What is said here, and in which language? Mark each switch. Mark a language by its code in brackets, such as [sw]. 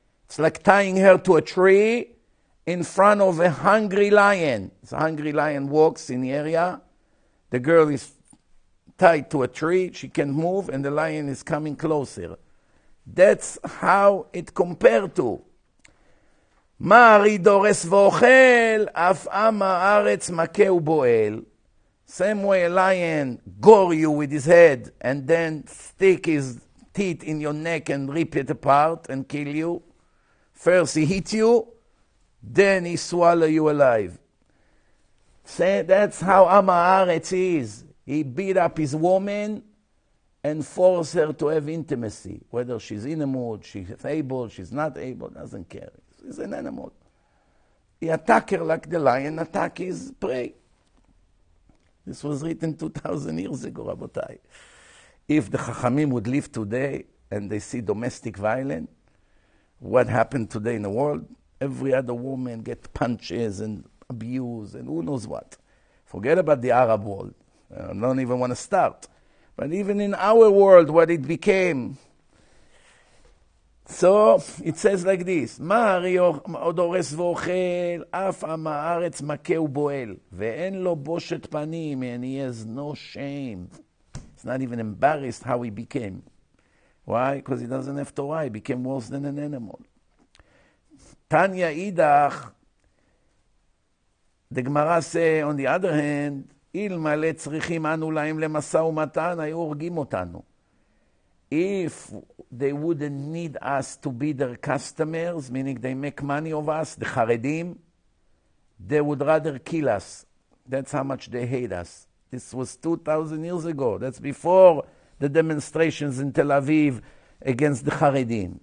[en] It's like tying her to a tree in front of a hungry lion. It's a hungry lion walks in the area. The girl is tied to a tree. She can't move and the lion is coming closer. That's how it compared to. [he] מארי דורס ואוכל, אף עם הארץ מכה ובועל. [en] Same way a lion gore you with his head and then stick his teeth in your neck and rip it apart and kill you. First he hit you, then he swallow you alive. Say that's how Am Haaretz is. He beat up his woman and forced her to have intimacy. Whether she's in a mood, she's able, she's not able, doesn't care. He's an animal. He attacked her like the lion attacked his prey. This was written 2,000 years ago, Rabotai. If the Chachamim would live today and they see domestic violence, what happened today in the world? Every other woman get punches and abuse and who knows what. Forget about the Arab world. I don't even want to start. But even in our world, what it became. So it says like this, [he] מארי דורס ואוכל, אף עם הארץ מכה ובועל, ואין לו בושת פנים, [en] and he has no shame. It's not even embarrassed how he became. Why? Because he doesn't have Torah. He became worse than an animal. [he] Tanya Idach, [en] the Gemara say, on the other hand, [he] אל מלא צריכים אנו להם למסע ומתן, היו הורגים אותנו. [en] If they wouldn't need us to be their customers, meaning they make money of us, the Haredim, they would rather kill us. That's how much they hate us. This was 2,000 years ago. That's before the demonstrations in Tel Aviv against the Haredim.